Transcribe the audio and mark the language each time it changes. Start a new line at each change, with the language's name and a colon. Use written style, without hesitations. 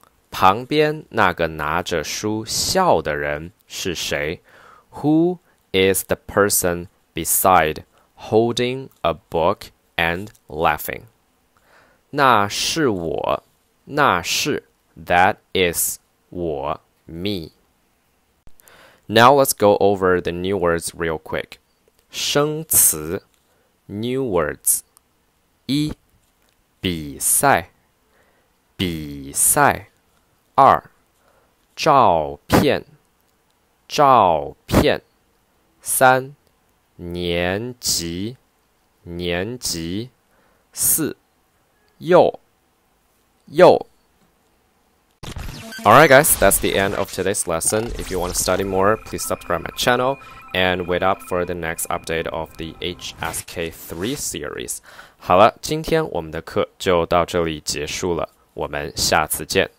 Chinese: 旁边那个拿着书笑的人是谁?
English: Who is the person beside holding a book and laughing?
Chinese: 那是我那是
English: that is 我 me. Now let's go over the new words real quick.
Chinese: 生词
English: new words.
Chinese: 一比赛比赛二照片照片三年级年级四又
English: 又Alright guys, that's the end of today's lesson. If you want to study more, please subscribe my channel and wait up for the next update of the HSK3 series.
Chinese: 好了，今天我们的课就到这里结束了，我们下次见。